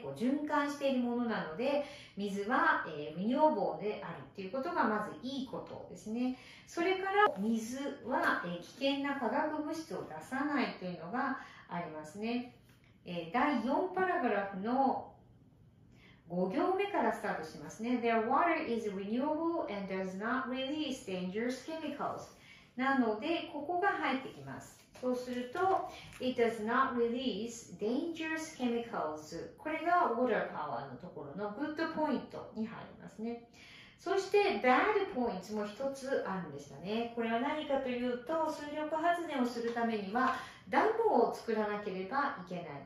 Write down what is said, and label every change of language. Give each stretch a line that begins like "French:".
Japanese: こう循環しているものなので、水は、renewable であるっていうことがまずいいことですね。それから、水は、危険な化学物質を出さないというのがありますね。第4パラグラフの5行目からスタートしますね。
English: Their water is renewable and does not release dangerous chemicals.
Japanese: なので、ここが入ってきます。そうすると、
English: It does not release dangerous chemicals.
Japanese: これが water power のところの good point に入りますね。そして、bad points も一つあるんでしたね。これは何かというと、水力発電をするためには、ダムを作らなければいけない。